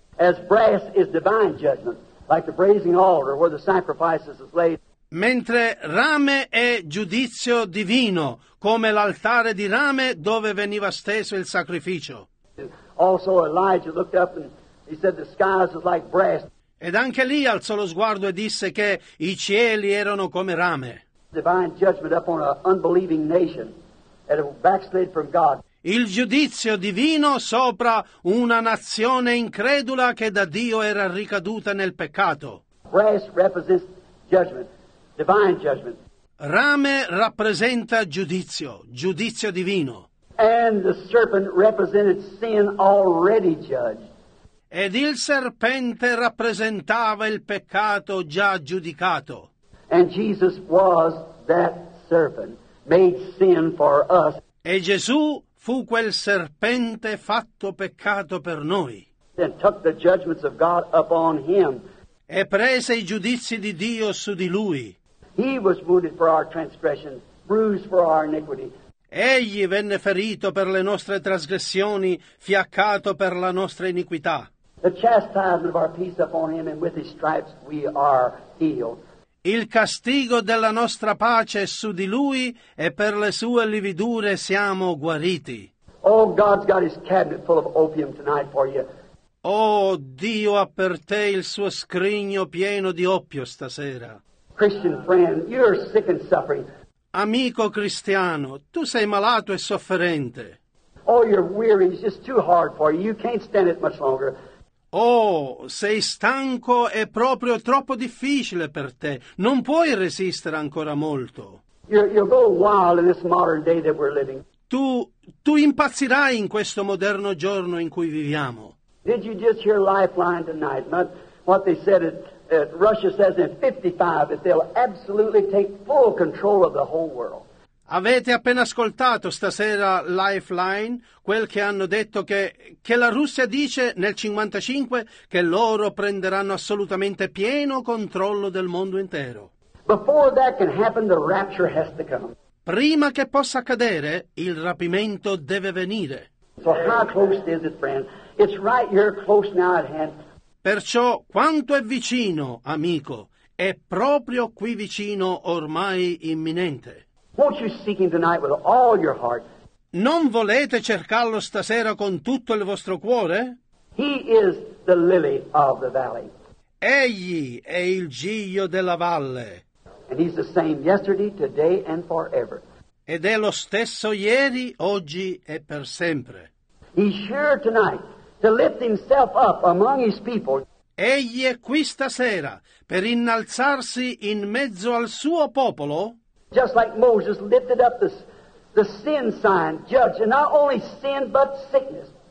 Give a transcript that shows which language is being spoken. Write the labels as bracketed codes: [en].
[en] As brass is divine judgment, like the brazen altar where the sacrifices is laid. [it] Mentre rame è giudizio divino, come l'altare di rame dove veniva steso il sacrificio. [en] Also Elijah looked up and he said the skies is like brass. [it] Ed anche lì alzò lo sguardo e disse che i cieli erano come rame. [en] Divine judgment upon an unbelieving nation that had backslid from God. [it] il giudizio divino sopra una nazione incredula che da Dio era ricaduta nel peccato. [en] Brass represents judgment, divine judgment. [it] Rame rappresenta giudizio, giudizio divino. [en] And the serpent represented sin already judged. [it] Ed il serpente rappresentava il peccato già giudicato. [en] And Jesus was that serpent, made sin for us. [it] E Gesù fu quel serpente fatto peccato per noi. [en] And took the judgments of God upon him. [it] E prese i giudizi di Dio su di lui. [en] He was wounded for our transgressions, bruised for our iniquity. [it] Egli venne ferito per le nostre trasgressioni, fiaccato per la nostra iniquità. [en] The chastisement of our peace upon him, and with his stripes we are healed. [it] Il castigo della nostra pace è su di lui, e per le sue lividure siamo guariti. [en] Oh, God's got his cabinet full of opium tonight for you. [it] Oh, Dio ha per te il suo scrigno pieno di oppio stasera. [en] Christian friend, you're sick and suffering. [it] Amico cristiano, tu sei malato e sofferente. [en] Oh, you're weary, it's just too hard for you. You can't stand it much longer. [it] Oh, sei stanco e proprio troppo difficile per te. Non puoi resistere ancora molto. [en] You'll go wild in this modern day that we're living. [it] Tu impazzirai in questo moderno giorno in cui viviamo. [en] Did you just hear Lifeline tonight? Not what they said at Russia says in 55 that they'll absolutely take full control of the whole world. [it] Avete appena ascoltato stasera Lifeline, quel che hanno detto che la Russia dice nel 55 che loro prenderanno assolutamente pieno controllo del mondo intero. [en] Before that can happen, the rapture has to come. [it] Prima che possa accadere, il rapimento deve venire. [en] So how close is it, friend? It's right here, close now at hand. [it] Perciò, quanto è vicino, amico? È proprio qui vicino, ormai imminente. [en] Won't you seek him tonight with all your heart? [it] Non volete cercarlo stasera con tutto il vostro cuore? [en] He is the lily of the valley. [it] Egli è il giglio della valle. [en] And he's the same yesterday, today and forever. [it] Ed è lo stesso ieri, oggi e per sempre. [en] He's here tonight to lift himself up among his people. [it] Egli è qui stasera per innalzarsi in mezzo al suo popolo. [en] Just like Moses lifted up the sin sign, judged, and not only sin but sickness.